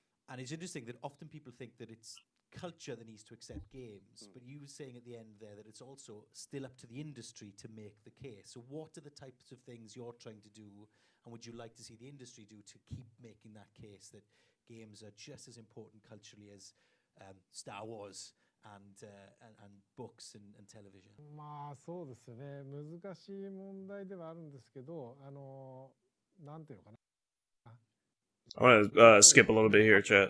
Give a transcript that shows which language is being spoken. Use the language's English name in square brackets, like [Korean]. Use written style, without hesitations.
[English] And it's interesting that often people think that it's culture that needs to accept games, but you were saying at the end there that it's also still up to the industry to make the case. So what are the types of things you're trying to do, and would you like to see the industry do to keep making that case that games are just as important culturally as Star Wars and books and television? [Japanese] まあそうですね、難しい問題ではあるんですけど、あの、なんていうのかな。 [English] I'm going to skip a little bit here, chat.